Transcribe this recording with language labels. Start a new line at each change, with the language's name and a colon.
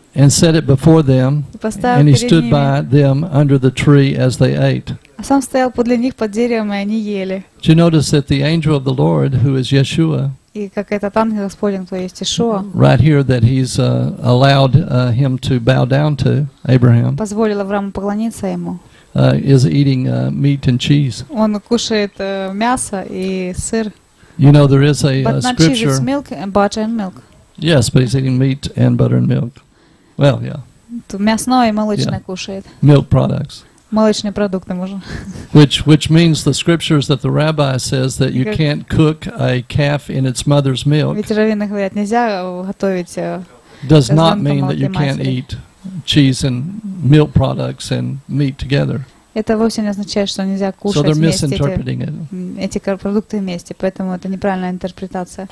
English: And set it before them, and he stood by them under the tree as they ate.
Russian: А сам стоял подле них под деревом, и они ели.
English: Do you notice that the angel of the Lord, who is Yeshua,
Russian: и как этот ангел Господень, кто есть Иешуа,
English: right here that he's allowed him to bow down to Abraham,
Russian: позволил Аврааму поклониться ему,
English: is eating meat and cheese.
Russian: Он кушает мясо и сыр.
English: You know there is a scripture. But not cheese, it's milk and butter and milk. Yes, but he's eating meat and butter and milk. Well, yeah.
Russian: Мясное и молочное кушает.
English: Milk products.
Russian: Молочные продукты можно.
English: Which means the scriptures that the rabbi says that you can't cook a calf in its mother's milk.
Russian: Ведь раввины говорят, нельзя готовить.
English: Does not mean that you can't eat cheese and milk products and meat together.
Russian: Это вовсе не означает, что нельзя кушать вместе эти продукты вместе, поэтому это неправильная интерпретация.